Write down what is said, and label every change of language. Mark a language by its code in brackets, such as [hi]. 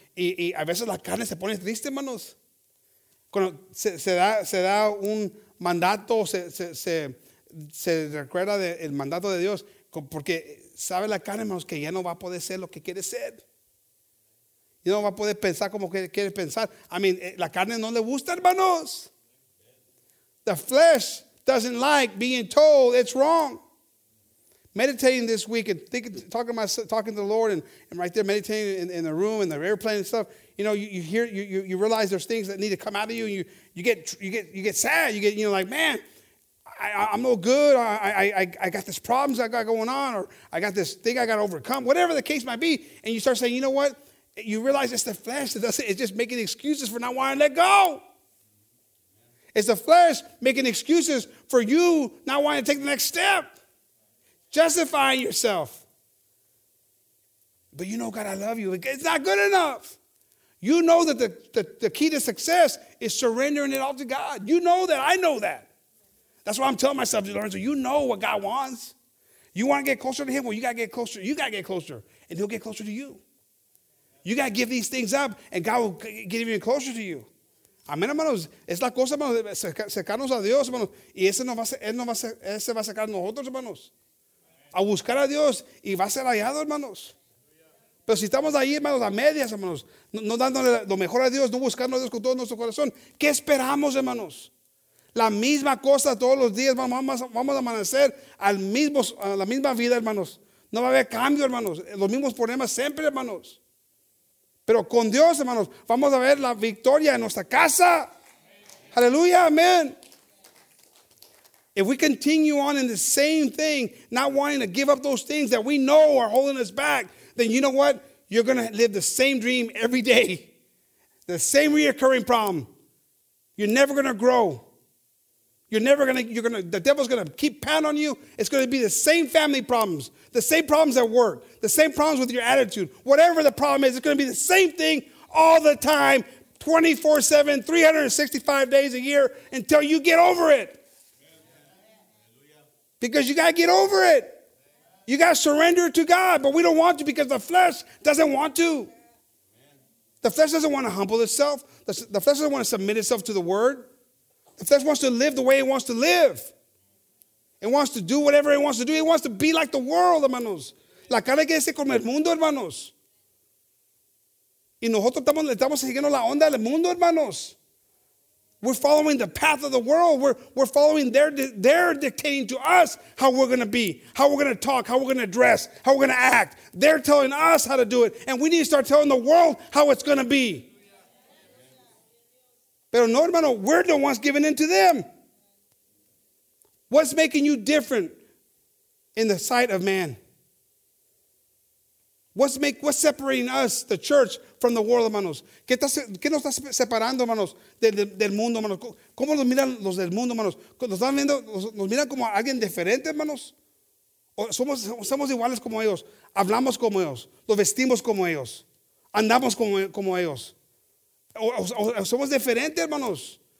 [es] Y a veces la carne se pone triste, hermanos. Cuando se da un mandato, se recuerda del mandato de Dios. Porque sabe la carne, hermanos, que ya no va a poder ser lo que quiere ser. Y no va a poder pensar como quiere pensar. [en] I mean, [es] la carne no le gusta, hermanos. [en] The flesh doesn't like being told it's wrong. Meditating this week and talking to the Lord and right there meditating in the room and the airplane and stuff. You know, you hear, you realize there's things that need to come out of you. And you get sad. You get, you know, like, man, I'm no good. I got this problems I got going on, or I got this thing I got to overcome. Whatever the case might be. And you start saying, you know what? You realize it's the flesh. It's just making excuses for not wanting to let go. It's the flesh making excuses for you not wanting to take the next step. Justifying yourself. But you know, God, I love you. It's not good enough. You know that the key to success is surrendering it all to God. You know that. I know that. That's why I'm telling myself, Lorenzo, you know what God wants. You want to get closer to him? Well, you got to get closer. You got to get closer. And he'll get closer to you. You got to give these things up, and God will get even closer to you. [es] Amén, hermanos. Es la cosa, hermanos, acercarnos a Dios, hermanos. Y ese va a acercar a nosotros, hermanos. A buscar a Dios, y va a ser hallado, hermanos. Pero si estamos ahí, hermanos, a medias, hermanos, no dándole lo mejor a Dios, no buscando a Dios con todo nuestro corazón, ¿qué esperamos, hermanos? La misma cosa todos los días, hermanos. Vamos a amanecer a la misma vida, hermanos. No va a haber cambio, hermanos. Los mismos problemas siempre, hermanos. Pero con Dios, hermanos, vamos a ver la victoria en nuestra casa. Aleluya, amén. [en] If we continue on in the same thing, not wanting to give up those things that we know are holding us back, then you know what? You're going to live the same dream every day. The same reoccurring problem. You're never going to grow. The devil's going to keep pounding on you. It's going to be the same family problems, the same problems at work, the same problems with your attitude. Whatever the problem is, it's going to be the same thing all the time, 24/7, 365 days a year, until you get over it. Because you got to get over it. You got to surrender to God, but we don't want to because the flesh doesn't want to. The flesh doesn't want to humble itself. The flesh doesn't want to submit itself to the word. The flesh wants to live the way it wants to live. It wants to do whatever it wants to do. It wants to be like the world, hermanos. [es] La cara que dice como el mundo, hermanos. Y nosotros estamos siguiendo la onda del mundo, hermanos. [en] We're following the path of the world. We're following their dictating to us how we're going to be, how we're going to talk, how we're going to dress, how we're going to act. They're telling us how to do it. And we need to start telling the world how it's going to be. [es] Pero no, hermano, [en] we're the ones giving in to them. What's making you different in the sight of man? What's separating us, the church, from the world, hermanos? [es] ¿Qué nos está separando, hermanos, del mundo, hermanos? ¿Cómo nos miran los del mundo, hermanos? ¿Nos miran como alguien diferente, hermanos? ¿O somos iguales como ellos? ¿Hablamos como ellos? ¿Nos vestimos como ellos? ¿Andamos como ellos? ¿O somos diferentes, hermanos?